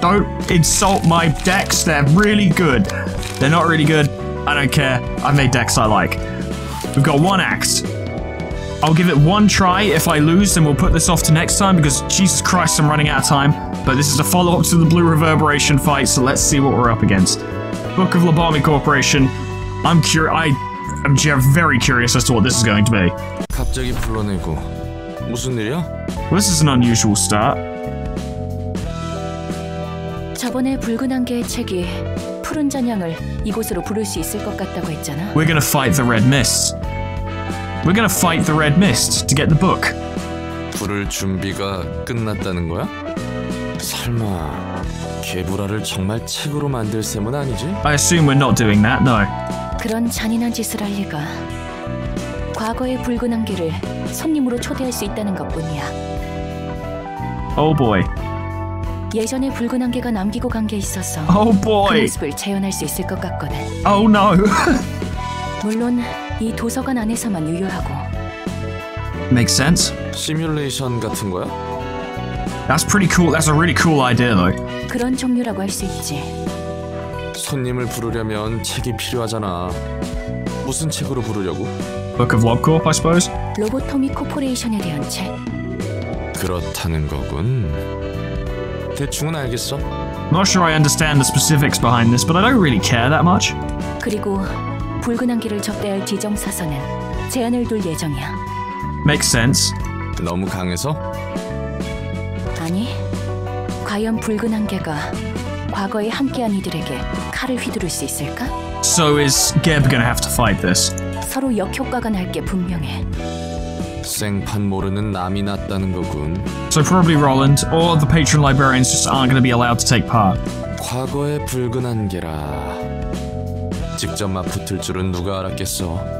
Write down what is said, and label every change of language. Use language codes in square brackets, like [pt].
[en] Don't insult my decks. They're really good. They're not really good. I don't care. I've made decks I like. We've got one axe. I'll give it one try. If I lose, then we'll put this off to next time because, Jesus Christ, I'm running out of time. But this is a follow-up to the Blue Reverberation fight, so let's see what we're up against. Book of Lobotomy Corporation. I'm very curious as to what this is going to be. [ko] 갑자기 불러내고 무슨 일이야? [en] This is an unusual start. [ko] 저번에 붉은 안개의 책이 푸른 잔향을 이곳으로 부를 수 있을 것 같다고 했잖아. [en] We're gonna fight the red mist. We're gonna fight the red mist to get the book. [ko] 부를 준비가 끝났다는 거야? 설마 개불화를 정말 책으로 만들 셈은 아니지? [en] I assume we're not doing that, no. [ko] 그런 잔인한 짓을 할 리가. 과거의 붉은 안개를 손님으로 초대할 수 있다는 것뿐이야. [en] Oh boy. [ko] 예전에 붉은 안개가 남기고 간 게 있어서 [en] Oh boy. [ko] 그 모습을 재현할 수 있을 것 같거든. [en] Oh no. [ko] 물론 이 도서관 안에서만 유효하고. [en] Makes sense. [ko] 시뮬레이션 같은 거야? [en] That's pretty cool. That's a really cool idea, though. [ko] 그런 종류라고 할 수 있지. 손님을 부르려면 책이 필요하잖아. 무슨 책으로 부르려고? [en] Book of Lobcorp, I suppose. [ko] 로보토미 코퍼레이션에 대한 책. 그렇다는 거군. 대충은 알겠어. [en] Not sure I understand the specifics behind this, but I don't really care that much. [ko] 그리고 붉은 안개를 접대할 지정사서는 제안을 둘 예정이야. [en] Makes sense. [ko] 너무 강해서? 아니, 과연 붉은 안개가 과거에 함께한 이들에게 칼을 휘두를 수 있을까? [en] So is Geb gonna have to fight this? [ko] 서로 역효과가 날 게 분명해. 생판 모르는 남이 났다는 거군. [en] So probably Roland or the patron librarians just aren't going to be allowed to take part. [ko] 과거의 붉은 안개라. 직접 맞붙을 줄은 누가 알았겠어.